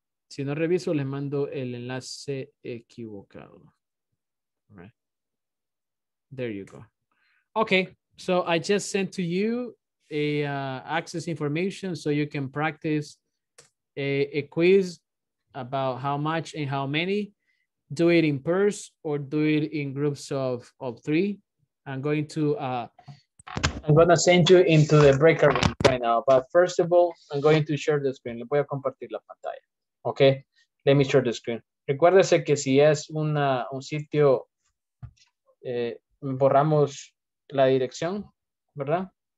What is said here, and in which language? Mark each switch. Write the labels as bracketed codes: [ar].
[es] Si no reviso, les mando el enlace equivocado. [en] All right, there you go. Okay, so I just sent to you a access information so you can practice a quiz about how much and how many. Do it in pairs or do it in groups of three. I'm going to send you into the breaker room right now, but first of all, I'm going to share the screen. [es] Le voy a compartir la pantalla. [en] Okay, let me share the screen. [es] Recuérdese que si es un sitio, borramos la dirección, ¿verdad?